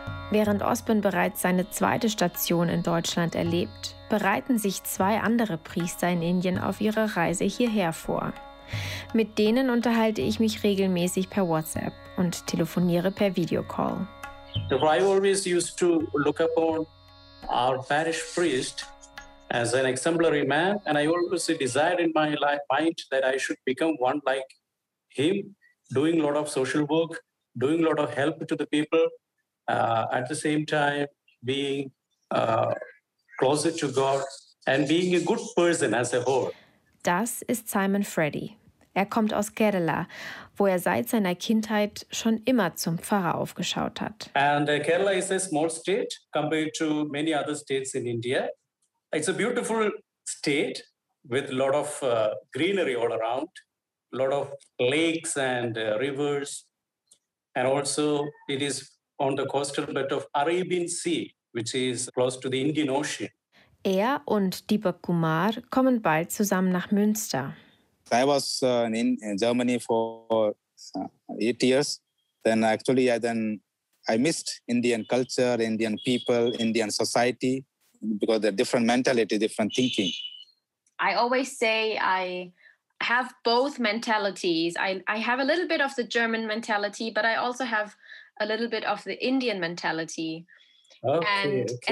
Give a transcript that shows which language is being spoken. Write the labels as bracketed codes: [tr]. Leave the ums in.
[de] Während Ospen bereits seine zweite Station in Deutschland erlebt, bereiten sich zwei andere Priester in Indien auf ihre Reise hierher vor. Mit denen unterhalte ich mich regelmäßig per WhatsApp und telefoniere per Videocall. [en] I always used to look upon our parish priest as an exemplary man, and I always desired in my life, mind that I should become one like him, doing a lot of social work, doing a lot of help to the people, uh, at the same time being uh, closer to God and being a good person as a whole. [de] Das ist Simon Freddy. Er kommt aus Kerala, wo er seit seiner Kindheit schon immer zum Pfarrer aufgeschaut hat. [en] And Kerala is a small state compared to many other states in India. It's a beautiful state with a lot of uh, greenery all around, a lot of lakes and uh, rivers. And also it is on the coastal belt coast of Arabian Sea, which is close to the Indian Ocean. [de] Er und Deepak Kumar kommen bald zusammen nach Münster. [en] I was uh, in, in Germany for uh, eight years. Then actually, I then I missed Indian culture, Indian people, Indian society because they're different mentality, different thinking. I always say I have both mentalities. I, I have a little bit of the German mentality, but I also have a little bit of the Indian mentality. okay. and, okay.